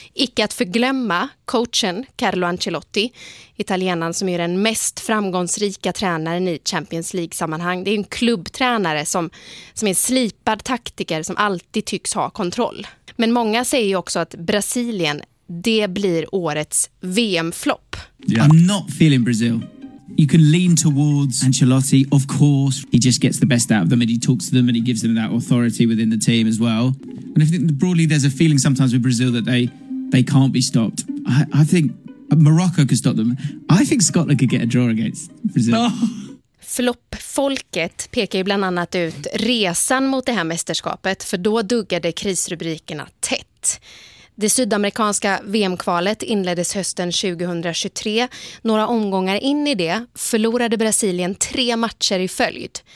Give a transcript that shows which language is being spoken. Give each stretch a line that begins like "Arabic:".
Swedish: Icke att förglömma coachen Carlo Ancelotti, italienaren som är den mest framgångsrika tränaren i Champions League-sammanhang. Det är en klubbtränare som är slipad taktiker som alltid tycks ha kontroll. Men många säger ju också att Brasilien, det blir årets VM-flopp.
English: Yeah. I'm not feeling Brazil. You can lean towards Ancelotti, of course. He just gets the best out of them and he talks to them and he gives them that authority within the team as well. And I think broadly there's a feeling sometimes with Brazil that they can't be stopped. I think Morocco could stop them. I think Scotland could get a draw against Brazil. No.
Swedish: Flopp-folket pekar ju bland annat ut resan mot det här mästerskapet, för då duggade krisrubrikerna tätt. Det sydamerikanska VM-kvalet inleddes hösten 2023. Några omgångar in i det förlorade Brasilien 3 matcher i följd.